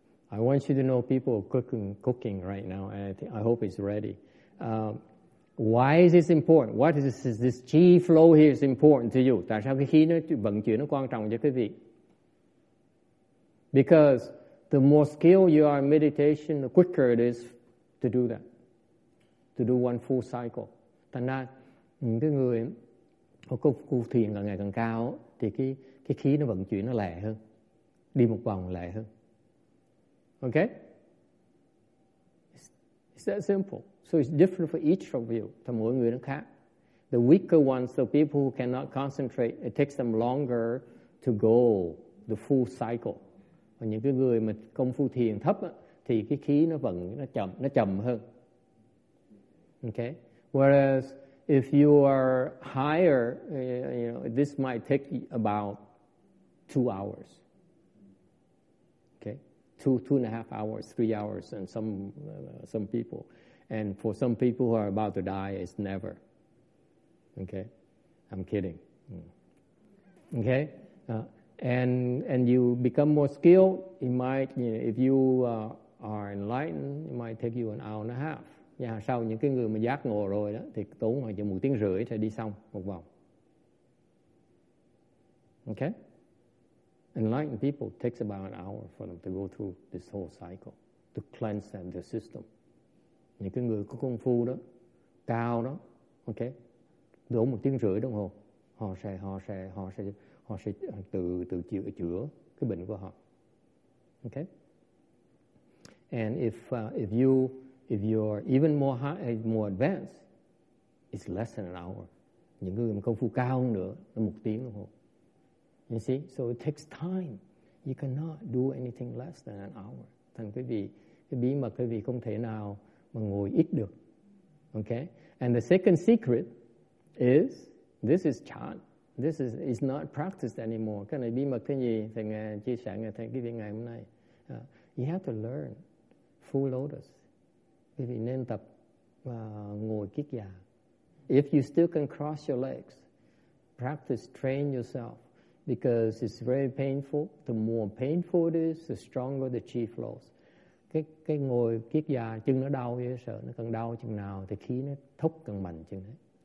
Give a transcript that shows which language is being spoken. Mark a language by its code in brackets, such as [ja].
[en] I want you to know people are cooking right now. I hope it's ready. Why is this important? What is this chi flow here is important to you? [vi] Tại sao cái khí nó vận chuyển nó quan trọng cho quý vị? [en] Because the more skilled you are in meditation, the quicker it is to do that, to do one full cycle. [vi] Thành ra những cái người có công phu thiền càng ngày càng cao thì cái khí nó vận chuyển nó lẹ hơn, đi một vòng lẹ hơn. [en] Okay? It's that simple. So it's different for each of you. [vi] Cho mỗi người nó khác. [en] The weaker ones, so people who cannot concentrate, it takes them longer to go the full cycle. [vi] Và những cái người mà công phu thiền thấp á, thì cái khí nó vận nó chậm hơn. [en] Okay? Whereas if you are higher, you know, this might take about 2 hours. Two and a half hours, 3 hours, and some people. And for some people who are about to die, it's never. Okay? I'm kidding. Okay? And you become more skilled, it might, you know, if you are enlightened, it might take you an hour and a half. [vi] Yeah, sau những cái người mà giác ngộ rồi đó, thì tốn khoảng chừng 1.5 tiếng sẽ đi xong một vòng. [en] Okay? Enlightened people takes about an hour for them to go through this whole cycle to cleanse them, their system. [vi] Những cái người có công phu đó, cao đó, okay, đổ 1.5 tiếng đồng hồ, họ sẽ tự chữa cái bệnh của họ. [en] Okay? And if you're even more advanced, it's less than an hour. [vi] Những người mà công phu cao hơn nữa, nó 1 tiếng đồng hồ. [en] You see, so it takes time. You cannot do anything less than an hour. [vi] Thành quý vị, cái bí mật quý vị không thể nào mà ngồi ít được. [en] Okay? And the second secret is, this is chant. This is not practiced anymore. [vi] Cái này bí mật cái gì? Thầy nghe, chia sẻ nghe thầy quý vị ngày hôm nay. [en] You have to learn full lotus. [vi] Quý vị nên tập ngồi kiết già. [en] If you still can cross your legs, practice, train yourself. Because it's very painful. The more painful it is, the stronger the chi flows. [vi] Cái ngồi kiết già, chân nó đau, vậy sợ nó cần đau chừng nào thì khí nó thúc càng mạnh chừng đấy.